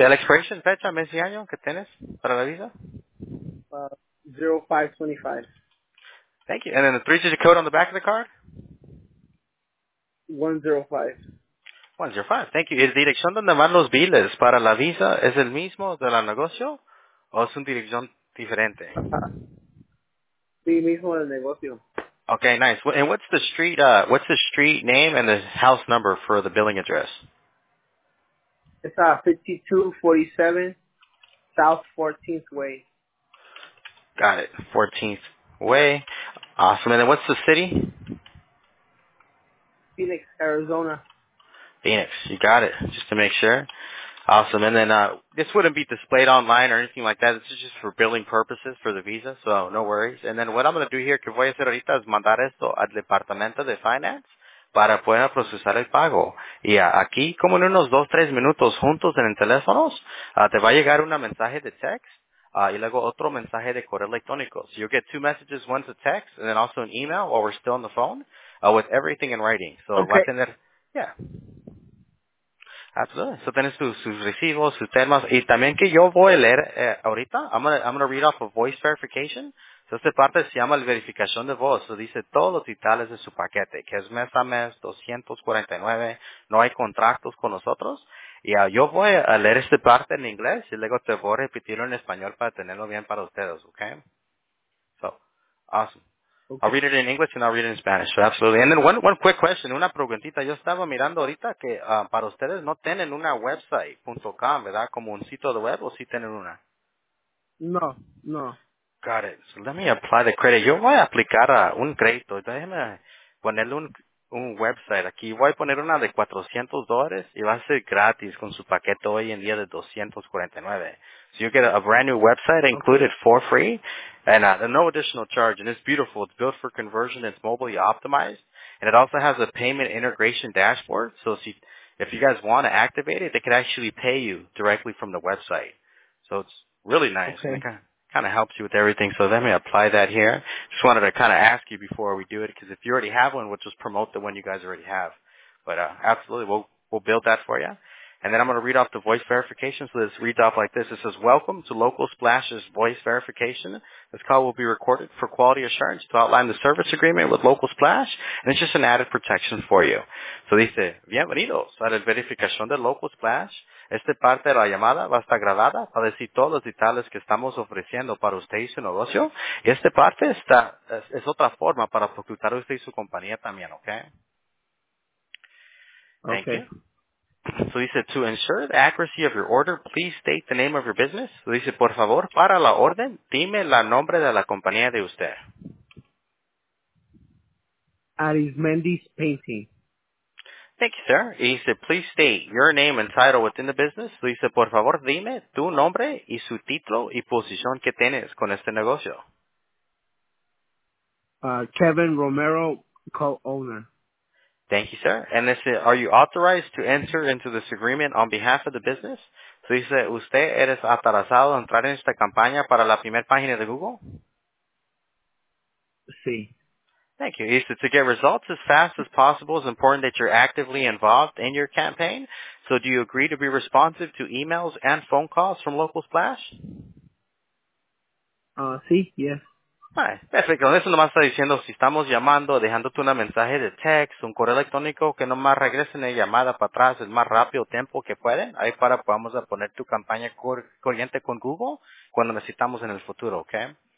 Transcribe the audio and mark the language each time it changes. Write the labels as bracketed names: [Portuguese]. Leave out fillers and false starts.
[Spanish] El expiration fecha, mes y año que tienes para la visa? 0525. [English] Thank you. And then the 3-digit code on the back of the card? 105. 105, thank you. [Spanish] ¿Y la dirección donde van los biles para la visa es el mismo de la negocio o es una dirección diferente? Sí, mismo del negocio. [English] Okay, nice. And what's the street name and the house number for the billing address? It's 5247 South 14th Way. Got it, 14th Way. Awesome. And then what's the city? Phoenix, Arizona. Phoenix, you got it, just to make sure. Awesome. And then this wouldn't be displayed online or anything like that. This is just for billing purposes for the visa, so no worries. And then what I'm going to do here, [Spanish] que voy a hacer ahorita, es mandar esto al Departamento de Finance para poder procesar el pago. Y aquí, como en unos 2-3 minutos juntos en el teléfono, te va a llegar un mensaje de text y luego otro mensaje de correo electrónico. [English] So you'll get 2 messages, one's a text, and then also an email while we're still on the phone with everything in writing. So okay. [Spanish] Va a tener, [English] yeah. Absolutely. [Spanish] So tienes sus recibos, sus temas, y también que yo voy a leer ahorita. [English] I'm gonna read off a voice verification. So [Spanish] esta parte se llama la verificación de voz. So dice todos los detalles de su paquete, que es mes a mes, 249. No hay contratos con nosotros. Y yo voy a leer esta parte en inglés y luego te voy a repetirlo en español para tenerlo bien para ustedes, okay? [English] So, awesome. Okay. I'll read it in English and I'll read it in Spanish. So absolutely. And then one quick question. [Spanish] Una preguntita. Yo estaba mirando ahorita que para ustedes no tienen una website.com, ¿verdad? Como un sitio de web, ¿o sí tienen una? No, no. [English] Got it. So let me apply the credit. [Spanish] Yo voy a aplicar a un crédito. Déjeme ponerle un website aquí. Voy a poner una de $400 y va a ser gratis con su paquete hoy en día de 249. [English] So you get a brand new website included okay. for free. And no additional charge, and it's beautiful. It's built for conversion. It's mobile optimized, and it also has a payment integration dashboard. So if you guys want to activate it, they can actually pay you directly from the website. So it's really nice. Okay. And it kind of helps you with everything. So let me apply that here. Just wanted to kind of ask you before we do it, because if you already have one, we'll just promote the one you guys already have. But absolutely, we'll build that for you. And then I'm going to read off the voice verification. So this reads off like this. It says, welcome to Local Splash's voice verification. This call will be recorded for quality assurance to outline the service agreement with Local Splash. And it's just an added protection for you. [Spanish] So dice, bienvenidos a la verificación de Local Splash. Esta parte de la llamada va a estar grabada para decir todos los detalles que estamos ofreciendo para usted y su negocio. Y esta parte es otra forma para facultar a usted y su compañía también, ¿ok? [English] Thank okay. you. So he said, to ensure the accuracy of your order, please state the name of your business. So he said, [Spanish] por favor, para la orden, dime la nombre de la compañía de usted. Arismendi's Painting. [English] Thank you, sir. He said, please state your name and title within the business. So he said, [Spanish] por favor, dime tu nombre y su título y posición que tienes con este negocio. [English] Kevin Romero, co-owner. Thank you, sir. And they say, are you authorized to enter into this agreement on behalf of the business? So he said, [Spanish] ¿usted eres autorizado a entrar en esta campaña para la primera página de Google? Sí. [English] Thank you. He said, to get results as fast as possible, it's important that you're actively involved in your campaign. So do you agree to be responsive to emails and phone calls from Local Splash? [Spanish] Sí, [English] yes. [Spanish] Ah, perfecto. Eso nomás está diciendo, si estamos llamando, dejándote un mensaje de text, un correo electrónico, que nomás regresen la llamada para atrás, el más rápido tiempo que pueden, ahí para podamos poner tu campaña corriente con Google cuando necesitamos en el futuro, okay?